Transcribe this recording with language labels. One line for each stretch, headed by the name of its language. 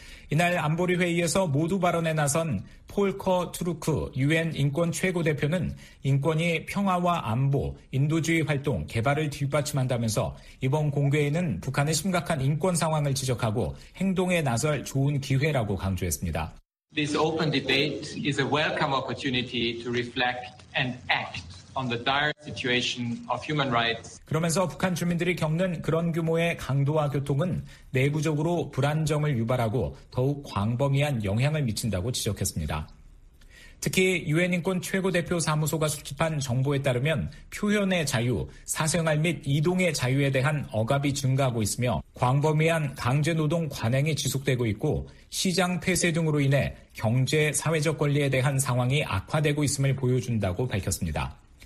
Korean: 이날 안보리 회의에서 모두 발언에 나선 폴커 트루크 유엔 인권 최고 대표는 인권이 평화와 안보, 인도주의 활동, 개발을 뒷받침한다면서 이번 공개회는 북한의 심각한 인권 상황을 지적하고 행동에 나설 좋은 기회라고 강조했습니다.
English: This open debate is a welcome opportunity to reflect and act on the dire situation of human rights.
Korean: 그러면서 북한 주민들이 겪는 그런 규모의 강도와 교통은 내부적으로 불안정을 유발하고 더욱 광범위한 영향을 미친다고 지적했습니다. 특히 유엔 인권 최고 대표 사무소가 수집한 정보에 따르면 표현의 자유, 사생활 및 이동의 자유에 대한 억압이 증가하고 있으며 광범위한 강제 노동 관행이 지속되고 있고 시장 폐쇄 등으로 인해 경제 사회적 권리에 대한 상황이 악화되고 있음을 보여준다고 밝혔습니다.